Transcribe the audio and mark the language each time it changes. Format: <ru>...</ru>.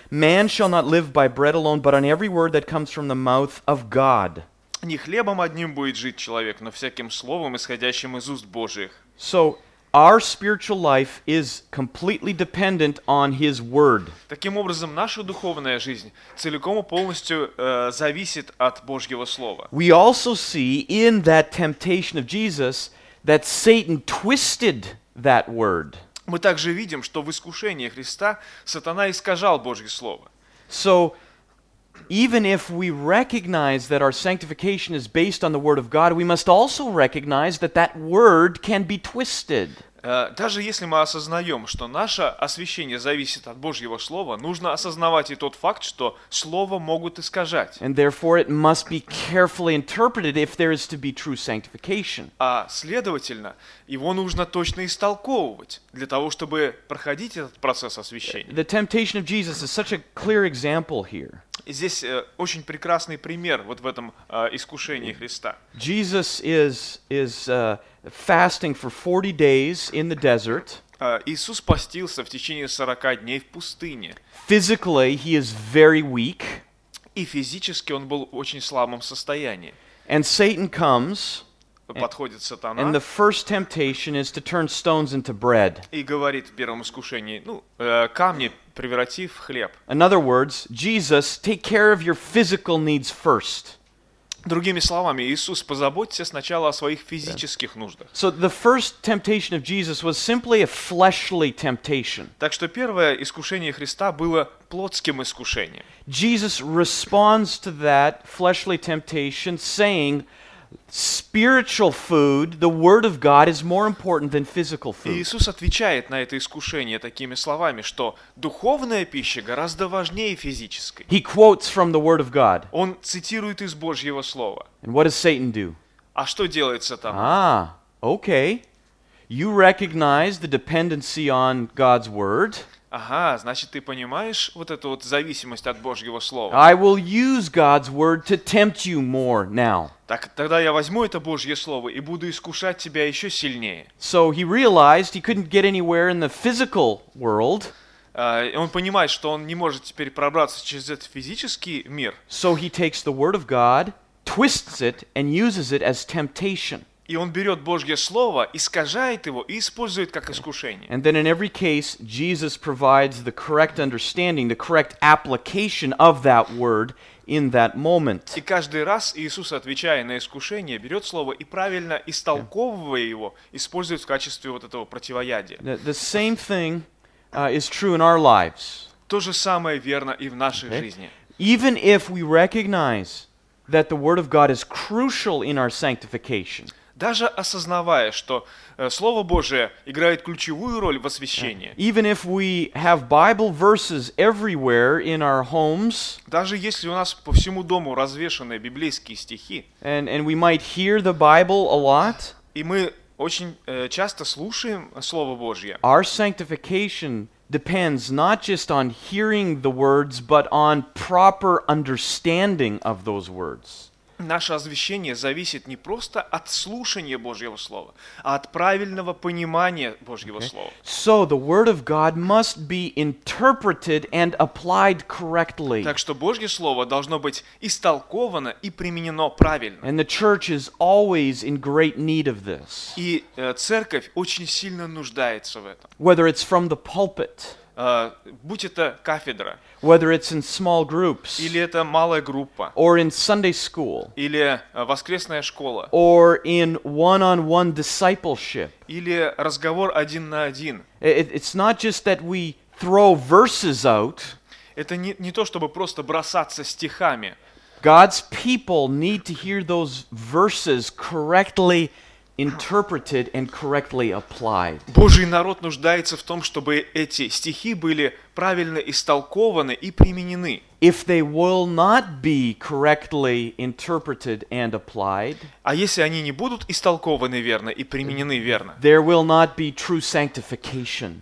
<en>Man shall not live by bread alone, but on every word that comes from the mouth of God.</en> <ru>Не хлебом одним будет жить человек, но всяким словом, исходящим из уст Божьих.</ru> <en>So, our spiritual life is completely dependent on His Word.</en> <ru>Таким образом, наша духовная жизнь целиком и полностью зависит от Божьего Слова.</ru> <en>We also see in that temptation of Jesus that Satan twisted that Word.</en> <ru>Мы также видим, что в искушении Христа сатана искажал Божье Слово.</ru> <en>So, even if we recognize that our sanctification is based on the Word of God, we must also recognize that that Word can be twisted.</en> <ru>Даже если мы осознаем, что наше освящение зависит от Божьего Слова, нужно осознавать и тот факт, что Слово могут искажать.</ru> <en>And therefore it must be carefully interpreted if there is to be true sanctification.</en> <ru>А следовательно, его нужно точно истолковывать для того, чтобы проходить этот процесс освящения.</ru> <en>The temptation of Jesus is such a clear example here.</en> <ru>Здесь очень прекрасный пример вот в этом искушении Христа.</ru> <en>Jesus is fasting for 40 days in the desert.</en> <ru>Иисус постился в течение 40 дней в пустыне.</ru> <en>Physically he is very weak.</en> <ru>И физически он был в очень слабом состоянии.</ru> <en>And Satan comes.</en> <ru>Подходит сатана.</ru> <en>And the first temptation is to turn stones into bread.</en> <ru>И говорит в первом искушении, камни преврати в хлеб.</ru> <en>In other words, Jesus, take care of your physical needs first.</en> <ru>Другими словами, Иисус, позаботься сначала о своих физических нуждах.</ru> <en>So the first temptation of Jesus was simply a fleshly temptation.</en> <ru>Так что первое искушение Христа было плотским искушением.</ru> <en>Jesus responds to that fleshly temptation saying, spiritual food, the word of God is more important than physical food.</en> <ru>Иисус отвечает на это искушение такими словами, что духовная пища гораздо важнее физической.</ru> <en>He quotes from the word of God.</en> <ru>Он цитирует из Божьего слова.</ru> <en>And what does Satan do?</en> <ru>А что делает сатан?</ru> <en>Okay. You recognize the dependency on God's word.</en> <ru>Ага, значит, ты понимаешь вот эту вот зависимость от Божьего Слова.</ru> <en>I will use God's word to tempt you more now.</en> <ru>Так, тогда я возьму это Божье Слово и буду искушать тебя еще сильнее.</ru> <en>So he realized he couldn't get anywhere in the physical world.</en> <ru>Он понимает, что он не может теперь пробраться через этот физический мир.</ru> <en>So he takes the word of God, twists it, and uses it as temptation.</en> <ru>И он берет Божье Слово, искажает его и использует как искушение.</ru> <en>And then in every case, Jesus provides the correct understanding, the correct application of that word in that moment.</en> <ru>И каждый раз Иисус, отвечая на искушение, берет Слово и правильно истолковывая его, использует в качестве вот этого противоядия.</ru> <en>The same thing is true in our lives.</en> <ru>То же самое верно и в нашей жизни.</ru> <en>Even if we recognize that the Word of God is crucial in our sanctification,</en> <ru>даже осознавая, что Слово Божие играет ключевую роль в освящении.</ru> <en>Even if we have Bible verses everywhere in our homes,</en> <ru>даже если у нас по всему дому развешаны библейские стихи,</ru> <en>and we might hear the Bible a lot,</en> <ru>и мы очень часто слушаем Слово Божье,</ru> <en>our sanctification depends not just on hearing the words, but on proper understanding of those words.</en> <ru>Наше освящение зависит не просто от слушания Божьего Слова, а от правильного понимания Божьего Слова.</ru> <en>So the Word of God must be interpreted and applied correctly.</en> <ru>Так что Божье Слово должно быть истолковано и применено правильно.</ru> <en>And the church is always in great need of this.</en> <ru>И церковь очень сильно нуждается в этом.</ru> <en>Whether it's from the pulpit,</en> <ru>будь это кафедра,</ru> <en>whether it's in small groups,</en> <ru>или это малая группа,</ru> <en>or in Sunday school,</en> <ru>или воскресная школа,</ru> <en>or in one-on-one discipleship,</en> <ru>или разговор один на один.</ru> <en>It's not just that we throw verses out.</en> <ru>Это не то, чтобы просто бросаться стихами.</ru> <en>God's people need to hear those verses correctly interpreted and correctly applied.</en> <ru>Божий народ нуждается в том, чтобы эти стихи были правильно истолкованы и применены.</ru> <en>If they will not be correctly interpreted and applied,</en> <ru>а если они не будут истолкованы верно и применены верно,</ru> <en>there will not be true sanctification.</en>